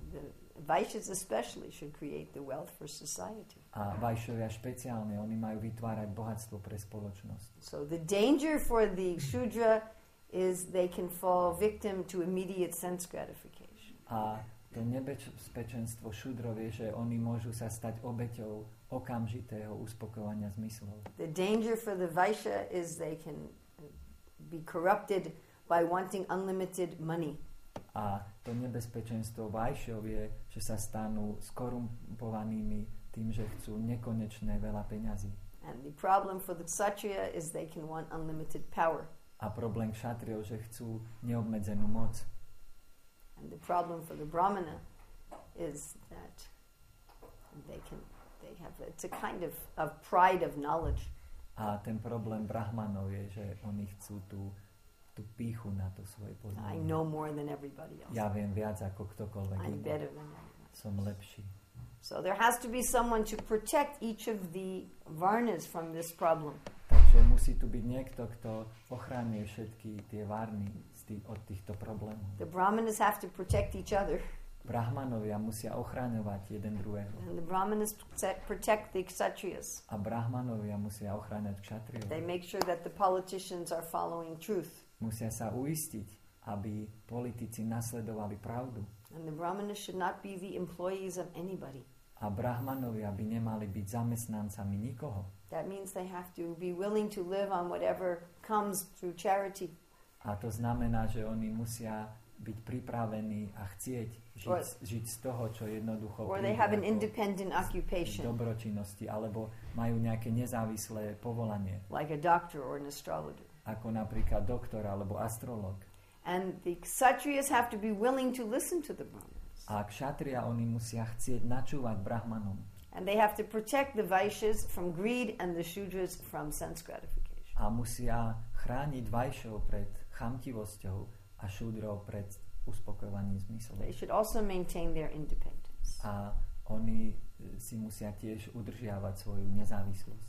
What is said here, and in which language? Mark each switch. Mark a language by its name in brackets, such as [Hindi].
[English] The Vaishyas especially should create the wealth for society. [Slovak] A Vaishyovia špeciálne, oni majú vytvárať bohatstvo pre spoločnosť. [English] So the danger for the Shudra is they can fall victim to immediate sense gratification. [Slovak] A to nebezpečenstvo Shudrov je, že oni môžu sa stať obeťou okamžitého uspokojovania zmyslov. [English] The danger for the Vaishya is they can be corrupted by wanting unlimited money. [Slovak] A to nebezpečenstvo Vaishyov je, že sa stanú skorumpovanými tým, že chcú nekonečné veľa peňazí. [English] And the problem for the Kshatriya is they can want unlimited power. [Slovak] A problém Kshatriyov, že chcú neobmedzenú moc. [English] And the problem for the Brahmana is that they can, they have, it's a kind of pride of knowledge. [Slovak] A ten problém brahmanov je, že oni chcú tú píchu na to svoje poznanie. [English] I know more than everybody else. [Slovak] Ja viem viac ako ktokoľvek. [English] I'm better than everyone. [Slovak] Som lepší. [English] So there has to be someone to protect each of the varnas from this problem. [Slovak] Takže musí tu byť niekto, kto ochráni všetky tie varny od týchto problémov. [English] The brahmanas have to protect each other. [Slovak] Brahmanovia musia ochraňovať jeden druhého. [English] And the brahmanas protect the kshatriyas. [Slovak] A brahmanovia musia ochraňovať kshatriyov. [English] They make sure that the politicians are following truth. [Slovak] Musia sa uistiť, aby politici nasledovali pravdu. [English] And the brahmanas should not be the employees of anybody. [Slovak] A brahmanovia by nemali byť zamestnancami nikoho. [English] That means they have to be willing to live on whatever comes through charity. [Slovak] A to znamená, že oni musia byť pripravení a chcieť žiť z toho, čo jednoducho príde ako dobročinnosti, alebo majú nejaké nezávislé povolanie. [English] Like a doctor or an astrologer. [Slovak] Ako napríklad doktor alebo astrolog. [English] And the kshatriyas have to be willing to listen to the brahmanas. [Slovak] A kshatriya, oni musia chcieť načúvať brahmanom. [English] And they have to protect the vaishyas from greed and the shudras from sense gratification. [Slovak] A musia chrániť vaishyov pred chamtivosťou a šudrov pred uspokojovaním zmyslov. [English] They should also maintain their independence. [Slovak] A oni si musia tiež udržiavať svoju nezávislosť.